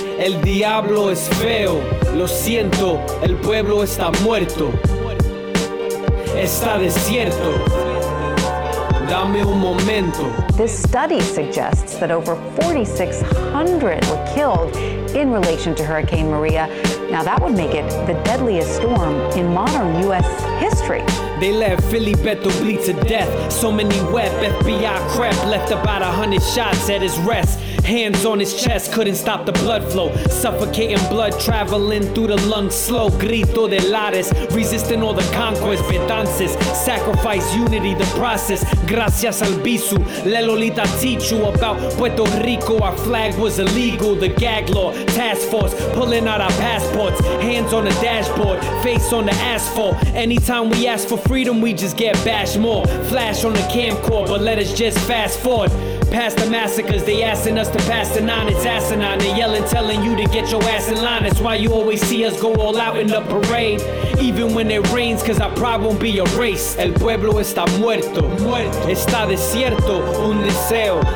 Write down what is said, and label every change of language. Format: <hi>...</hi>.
<es>El diablo es feo, lo siento, el pueblo está muerto, está desierto, dame un momento.</es> <en>This study suggests that over 4,600 were killed in relation to Hurricane Maria. Now that would make it the deadliest storm in modern U.S. history. They let Philly Beto bleed to death, so many wept, FBI crept, left about 100 shots at his rest. Hands on his chest, couldn't stop the blood flow. Suffocating blood traveling through the lungs slow. Grito de Lares, resisting all the conquest. Betances, sacrifice, unity, the process.</en> <es>Gracias al Bisu,</es> <en>le Lolita teach you about Puerto Rico. Our flag was illegal, the gag law, task force. Pulling out our passports, hands on the dashboard, face on the asphalt. Anytime we ask for freedom, we just get bashed more. Flash on the camcorder, but let us just fast forward. Past the massacres, they asking us to pass the nine, it's asinine. They yelling, telling you to get your ass in line. That's why you always see us go all out in the parade. Even when it rains, cause our pride won't be erased.</en> <es>El pueblo está muerto, está desierto, un deseo.</es>